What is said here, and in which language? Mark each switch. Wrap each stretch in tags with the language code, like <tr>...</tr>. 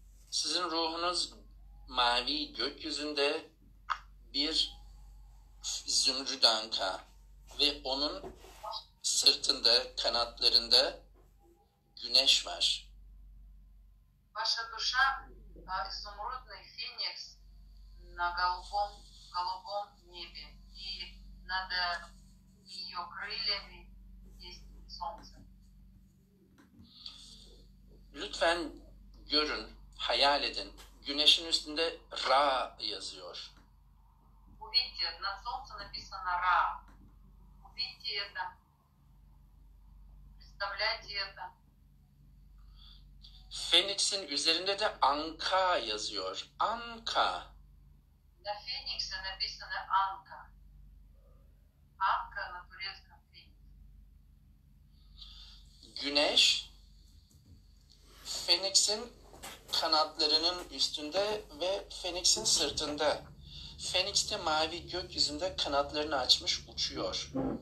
<tr>Sizin ruhunuz mavi gökyüzünde bir zümrüdüanka ve onun sırtında, kanatlarında güneş var.</tr> <ru>Ваша душа изумрудный феникс на голубом небе, и над ее крыльями есть солнце.</ru> <tr>Lütfen görün. Hayal edin. Güneşin üstünde Ra yazıyor.</tr> <ru>Увидьте, на солнце написано Ra. Увидьте это. Представляйте это.</ru> <tr>Feniksin üzerinde de Anka yazıyor. Anka.</tr> <ru>На фениксе написано Anka. Anka на турецком фениксе.</ru> <tr>Güneş Feniksin kanatlarının üstünde ve Feniks'in sırtında. Phoenix'te mavi gökyüzünde kanatlarını açmış uçuyor.</tr>